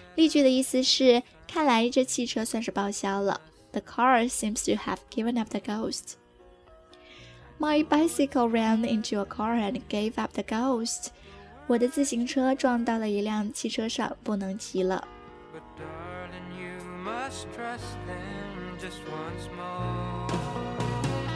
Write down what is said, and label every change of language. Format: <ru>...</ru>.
<zh>例句的意思是，看来这汽车算是报销了。</zh> <en>The car seems to have given up the ghost. My bicycle ran into a car and gave up the ghost.</en> <zh>我的自行车撞到了一辆汽车上，不能骑了。</zh> <en>But darling, you must trust them just once more.</en>